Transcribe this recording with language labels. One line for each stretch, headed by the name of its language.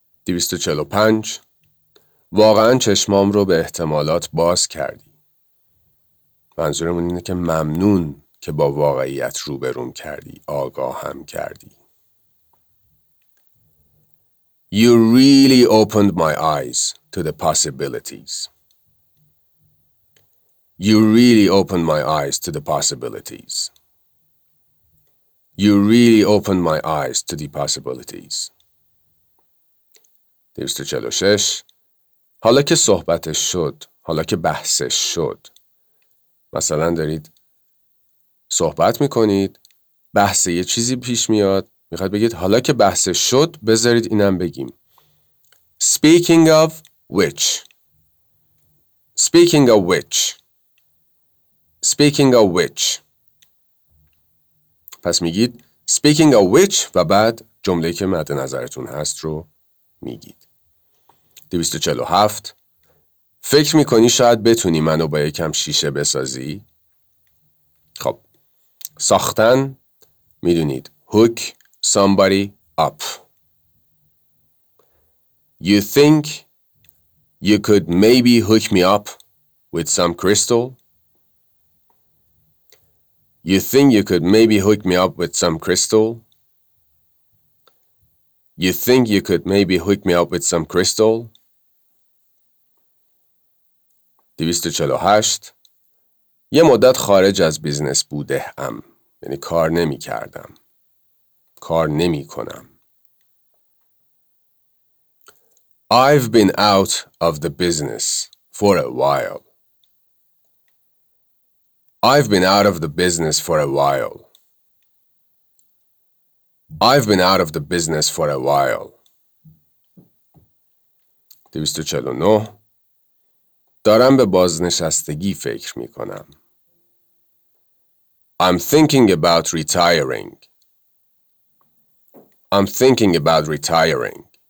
Persian: 245، واقعا چشمام رو به احتمالات باز کردی. منظورمون اینه که ممنون که با واقعیت روبروم کردی، آگاهم کردی.
English: You really opened my eyes to the possibilities. You really opened my eyes to the possibilities. You really opened my eyes to the possibilities.
Persian: 246، حالا که صحبتش شد، حالا که بحثش شد، مثلا دارید صحبت میکنید، بحث یه چیزی پیش میاد، میخواد بگید حالا که بحث شد بذارید اینم بگیم.
English: Speaking of which. Speaking of which. Speaking of which.
Persian: پس میگید
English: speaking of which
Persian: و بعد جمله‌ای که مد نظرتون هست رو میگید. 247، فکر میکنی شاید بتونی منو با یکم شیشه بسازی؟ خب، ساختن میدونید
English: hook somebody up. You think you could maybe hook me up with some crystal? You think you could maybe hook me up with some crystal? You think you could maybe hook me up with some crystal?
Persian: 248، یه مدت خارج از بیزنس بوده ام، یعنی کار نمی کردم، کار نمی کنم.
English: I've been out of the business for a while. I've been out of the business for a while. I've been out of the business for a while.
Persian: 249، دارم به بازنشستگی فکر می کنم.
English: I'm thinking about retiring. I'm thinking about retiring.